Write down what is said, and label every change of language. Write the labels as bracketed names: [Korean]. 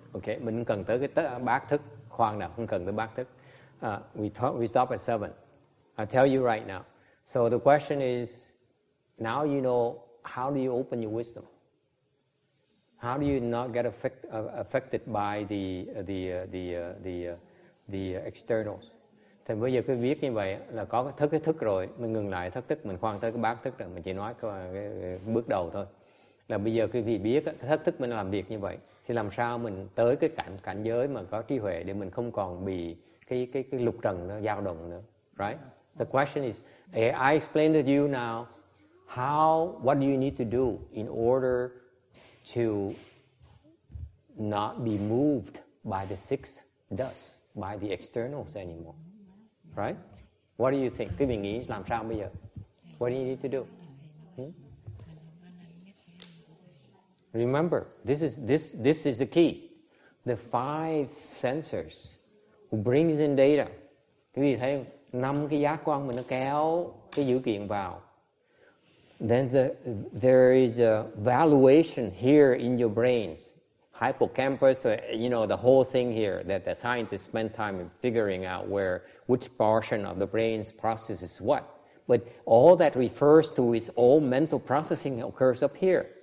[Vietnamese] Okay, mình cần tới cái bát thức. Khoan nào, không cần tới bát thức. [English] We stop at seven. I'll tell you right now. So the question is, now you know, how do you open your wisdom? How do you not get affected by the externals? [Vietnamese] Thì bây giờ cứ biết như vậy là có cái thức rồi, mình ngừng lại thức thức, mình khoan tới cái bát thức rồi, mình chỉ nói cái bước đầu thôi. Là bây giờ cái gì biết cái thức thức mình làm việc như vậy. Thì làm sao mình tới cái cảnh giới mà có trí huệ để mình không còn bị cái lục trần nó dao động nữa. [English] Right? The question is, I explained to you now, what do you need to do in order to not be moved by the sixth dust, by the externals anymore. Right? What do you think? [Vietnamese] Cái mình nghĩ làm sao bây giờ? [English] What do you need to do? Remember, this is the key. The five sensors who brings in data. [Vietnamese] Quý vị thấy năm cái giác quan mình nó kéo cái dữ kiện vào. [English] Then there is a valuation here in your brains, hippocampus, you know, the whole thing here that the scientists spend time in figuring out which portion of the brain's processes what. But all that refers to is all mental processing occurs up here.